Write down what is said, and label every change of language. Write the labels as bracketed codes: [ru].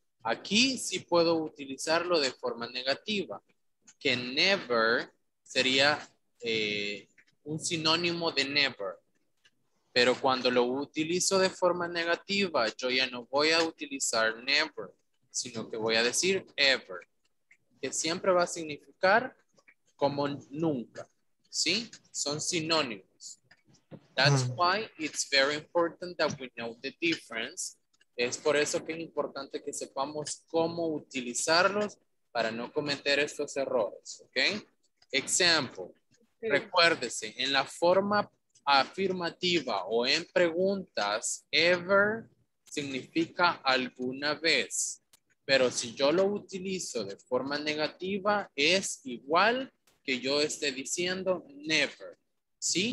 [es] Aquí sí puedo utilizarlo de forma negativa, que never sería un sinónimo de never. Pero cuando lo utilizo de forma negativa, yo ya no voy a utilizar never, sino que voy a decir ever, que siempre va a significar como nunca, ¿sí? Son sinónimos. [en] That's why it's very important that we know the difference. [es] Es por eso que es importante que sepamos cómo utilizarlos para no cometer estos errores, ¿ok? Example, recuérdese, en la forma afirmativa o en preguntas, ever significa alguna vez, pero si yo lo utilizo de forma negativa es igual que yo esté diciendo never, ¿sí?